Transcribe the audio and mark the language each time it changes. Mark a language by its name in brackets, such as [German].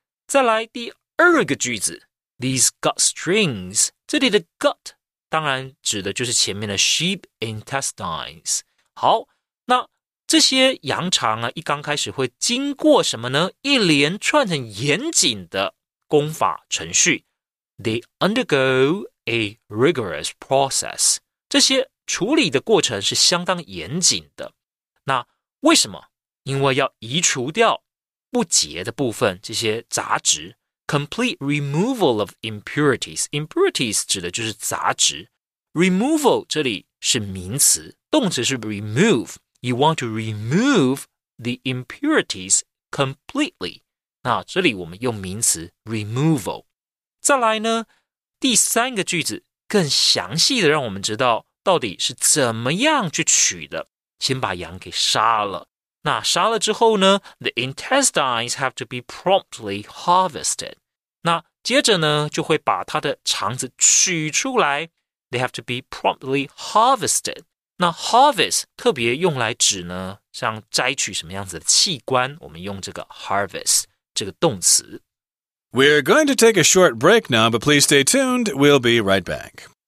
[Chinese] 再来第二个句子， [English] these gut strings， [Chinese] 这里的 gut 当然指的就是前面的 [English] sheep intestines。 [Chinese] 好，那这些羊肠啊，一刚开始会经过什么呢？一连串很严谨的工法程序。 [English] They undergo a rigorous process. [Chinese] 这些处理的过程是相当严谨的。那为什么？因为要移除掉不洁的部分，这些杂质。 [English] Complete removal of impurities. [Chinese] Impurities 指的就是杂质。Removal 这里是名词，动词是 remove。 [English] You want to remove the impurities completely. [Chinese] 那这里我们用名词 removal. 再来呢，第三个句子更详细的让我们知道到底是怎么样去取的。先把羊给杀了。那杀了之后呢， [English] The intestines have to be promptly harvested. [Chinese] 那接着呢，就会把它的肠子取出来。 [English] They have to be promptly harvested. [Chinese] 那 harvest 特别用来指呢，像摘取什么样子的器官，我们用这个 harvest 这个动词。 [English] We're going to take a short break now, but please stay tuned, we'll be right back.